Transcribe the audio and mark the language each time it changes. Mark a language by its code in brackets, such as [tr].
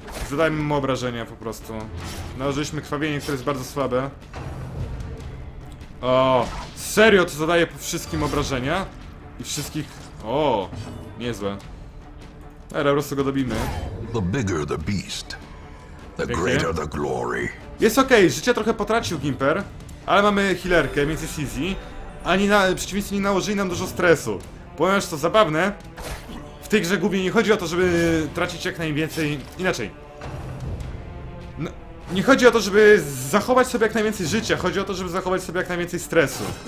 [pl] Zadajmy mu obrażenia po prostu. Nałożyliśmy krwawienie, które jest bardzo słabe. O, serio to zadaje po wszystkim obrażenia? I wszystkich... O, niezłe. Dobra, po prostu go dobimy. [en] The bigger the beast, the greater the glory. [pl] Jest okej, życie trochę potracił Gimper. Ale mamy healerkę, więc jest easy. Ani na, przeciwnicy nie nałożyli nam dużo stresu. Ponieważ to zabawne, w tej grze głównie nie chodzi o to, żeby tracić jak najwięcej... Inaczej. No, nie chodzi o to, żeby zachować sobie jak najwięcej życia. Chodzi o to, żeby zachować sobie jak najwięcej stresu.